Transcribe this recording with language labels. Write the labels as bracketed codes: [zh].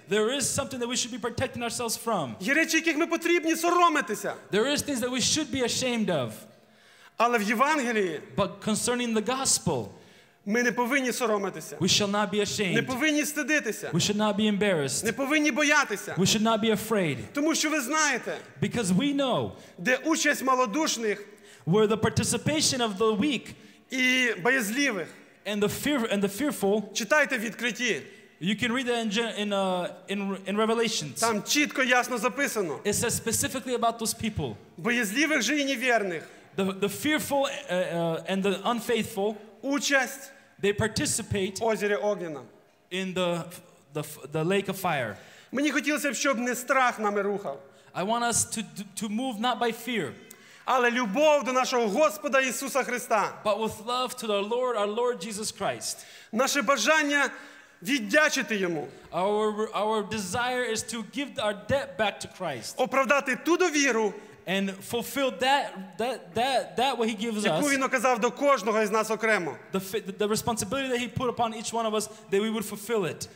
[en] There is something that we should be protecting ourselves from. [uk] Є речі, яких ми потрібні соромитися. [en] There is things that we should be ashamed of. [uk] Але в Євангелії, [en] but concerning the gospel, [uk] ми не повинні соромитися. [en] We shall not be ashamed. [uk] Не повинні стидитися. [en] We should not be embarrassed. [uk] Не повинні боятися. [en] We should not be afraid. [uk] Тому що ви знаєте, [en] because we know, [uk] де участь малодушних, [en] where the participation of the weak, [uk] і боязливих, [en] and the fear and the fearful. [uk] Читайте в Відкритті. [en] You can read that in Revelations. [uk] Там чітко ясно записано. [en] It says specifically about those people. [uk] Боязливих же і невірних. [en] The fearful and the unfaithful. [uk] Участь. [en] They participate. [ru] Озере огненном. [en] In the lake of fire. [uk] Мені хотілося б, щоб не страх нами рухав. [en] I want us to move not by fear. [uk] Але любов до нашого Господа Ісуса Христа. [en] But with love to our Lord Jesus Christ. [uk] Наше бажання віддячити йому. [en] Our desire is to give our debt back to Christ. [uk] Оправдати ту довіру, [en] and fulfill that what he gives us. [uk] Яку він оказав до кожного із нас окремо. [en] The responsibility that he put upon each one of us, that we would fulfill it.